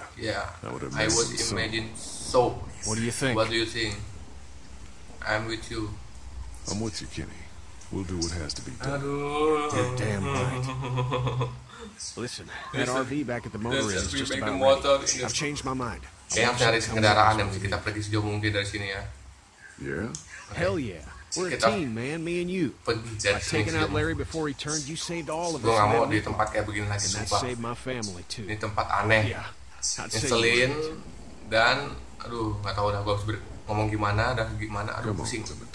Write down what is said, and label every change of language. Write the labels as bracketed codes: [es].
[en] Yeah. I would imagine so. What do you think? I'm with you. I'm with you, Kenny. We'll do what has to be done. You're damn right. Listen, that RV back at the motor is just about ready. I've changed my mind. [id] Kayaknya cari kendaraan yang kita pergi sejauh mungkin dari sini ya. [en] Yeah? Hell yeah. We're a team, man, me and you. I've taken out Larry before he turned. You saved all of us. [id] Gue gak mau di tempat kayak begini lagi, sumpah. [en] Save my family too. [id] Ini tempat aneh. Nyeselin. Dan, aduh, gak tahu dah gue harus ngomong gimana dan gimana. Aduh, pusing.